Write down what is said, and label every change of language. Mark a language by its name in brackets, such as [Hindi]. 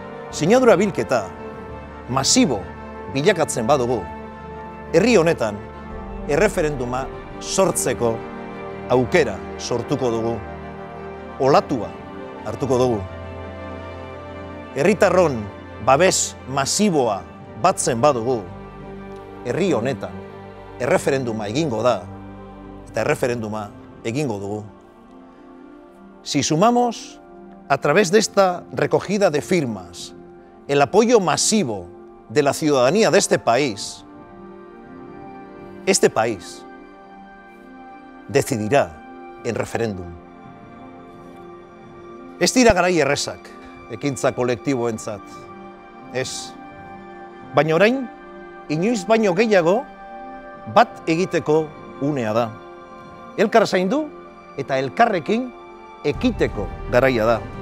[Basque] Sinadura bilketa, masibo bilakatzen badugu, herri honetan erreferenduma sortzeko aukera sortuko dugu, olatua hartuko dugu. Herritarron babes masiboa batzen badugu, herri honetan erreferenduma egingo da, eta erreferenduma egingo dugu. [Spanish] Si sumamos a través de esta recogida de firmas el apoyo masivo de la ciudadanía de este país decidirá en referéndum. [Basque] Ez dira garai errezak, ekintza kolektiboentzat. Ez. Baina orain, inoiz baino gehiago, bat egiteko unea da. Elkar zaindu eta elkarrekin ekiteko garaia da.